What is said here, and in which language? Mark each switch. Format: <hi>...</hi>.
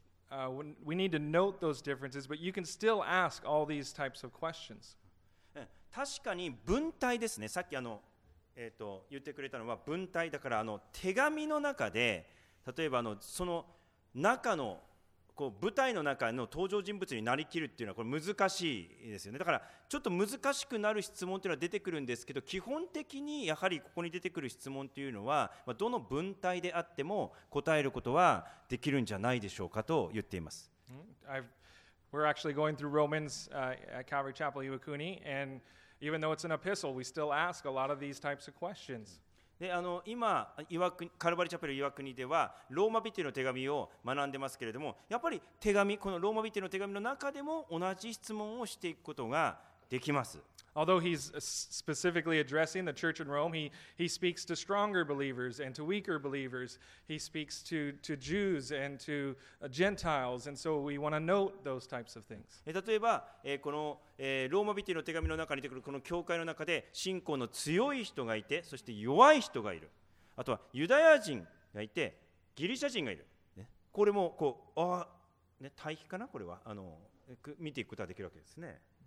<en>And so we need to note those differences, but you can still ask all these types of questions.</en> <ja>確かに文体ですね。さっき言ってくれたのは文体だから手紙の中で例えばその中のこう舞台の中の登場人物になりきるっていうのはこれ難しいですよね。だからちょっと難しくなる質問っていうのは出てくるんですけど、基本的にやはりここに出てくる質問というのはどの文体であっても答えることはできるんじゃないでしょうかと言っています。</ja> <en>We're actually going through Romans at Calvary Chapel Iwakuni andEven though it's an epistle, we still ask a lot of these types of questions.</en> <ja>で、今、カルバリチャペル岩国では、ローマ人への手紙を学んでますけれども、やっぱり手紙、このローマ人への手紙の中でも同じ質問をしていくことができます。</ja> <en>Although he's specifically addressing the church in Rome, he speaks to stronger believers and to weaker believers. He speaks to Jews and to Gentiles. And so we want to note those types of things.</en> <ja>例えば、このローマ人の手紙の中に出てくるこの教会の中で信仰の強い人がいて、そして弱い人がいる。あとはユダヤ人がいて、ギリシャ人がいる。ね、これもこう、ああ、ね、対比かな、これは。見ていくことができるわけですね。</ja>